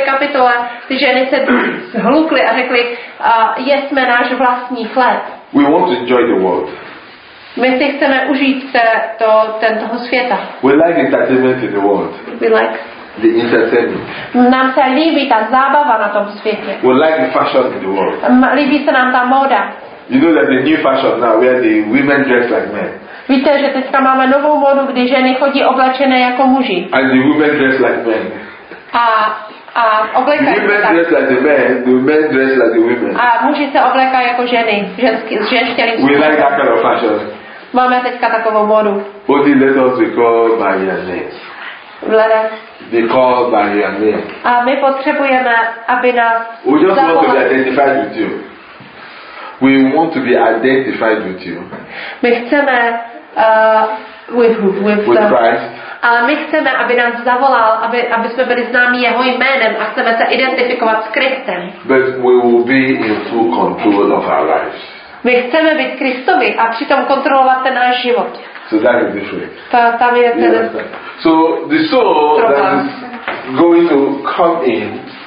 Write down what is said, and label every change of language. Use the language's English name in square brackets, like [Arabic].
[Czech] kapitole, ty ženy se zhlukly a řekly, jesme náš vlastní chléb. [English] We want to enjoy the world. [Czech] My si chceme užít toho světa. [English] We like entertainment in the world. We like the entertainment. [Czech] Nám se líbí ta zábava na tom světě. [English] We like the fashion in the world. [Czech] Líbí se nám ta móda. [English] You know that the new fashion now where the women dress like men. [Czech] Víte, že teďka máme novou modu, kdy ženy chodí oblečené jako muži. [English] And the women dress like men. [Czech] A oblékají se tak. [English] Dress like the men, the men dress like the women. [Czech] A muži se oblékají jako ženy, ženštělým způsobem. [English] We like that kind of fashion. [Czech] Máme teďka takovou modu. [English] Only let us be called by your name. Vlada. Be called by your name. [Czech] A my potřebujeme, aby nás [English] we just want to be identified with you. We want to be identified with you. [Czech] My chceme [English] with Christ. [Czech] Ale my chceme, aby nás zavolal, aby jsme byli známi jeho jménem a chceme se identifikovat s Kristem. [English] But we will be in full control of our lives. [Czech] My chceme být Kristovi a přitom kontrolovat ten náš život. [English] So that is different. [Czech] Tam je ten. [English] So the soul that is going to come in.